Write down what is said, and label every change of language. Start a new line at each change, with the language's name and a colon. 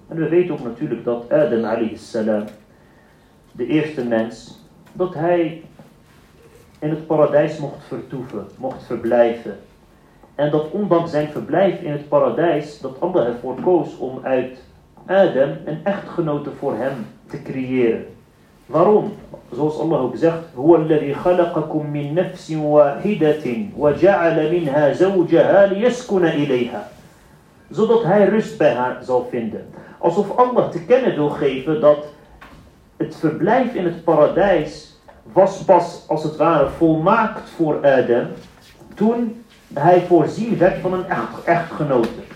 Dutch: En we weten ook natuurlijk dat Adam alayhi salam, de eerste mens, dat hij in het paradijs mocht vertoeven, mocht verblijven. En dat ondanks zijn verblijf in het paradijs, dat Allah ervoor koos om uit Adam een echtgenote voor hem te creëren. Waarom?
Arabic: Zoals Allah ook zegt, هُوَ الَّذِي خَلَقَكُمْ مِنْ نَفْسٍ وَاحِدَةٍ وَجَعَلَ مِنْهَا زَوْجَهَا لِيَسْكُنَ إِلَيْهَا.
Dutch: Zodat hij rust bij haar zal vinden. Alsof Allah te kennen wil geven dat het verblijf in het paradijs was pas als het ware volmaakt voor Adam toen hij voorzien werd van een echtgenote.